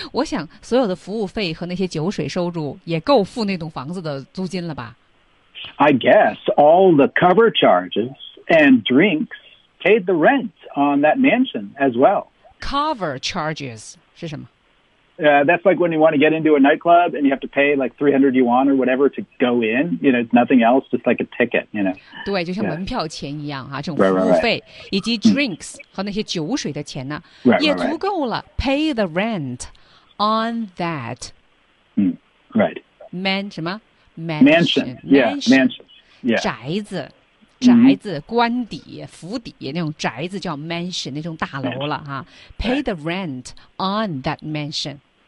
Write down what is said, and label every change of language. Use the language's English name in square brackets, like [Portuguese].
[Chinese] 我想所有的服务费和那些酒水收入也够付那栋房子的租金了吧。 [English] I guess, all the cover charges and drinks paid the rent on that mansion as well. Cover charges [Chinese] 是什么？ [English] That's like when you want to get into a nightclub and you have to pay like 300 yuan or whatever to go in. You know, nothing else, just like a ticket, you know. [Chinese] 对，就像门票钱一样啊，这种服务费，以及 drinks 和那些酒水的钱呢，也足够了。 [English] Pay the rent on that. Right. Man, 什么？ Mansion. Yeah, mansion. Yeah. [Chinese] 宅子。宅子、官邸、府邸那种宅子叫 mansion 那种大楼了哈、啊、， [English] pay the rent on that mansion，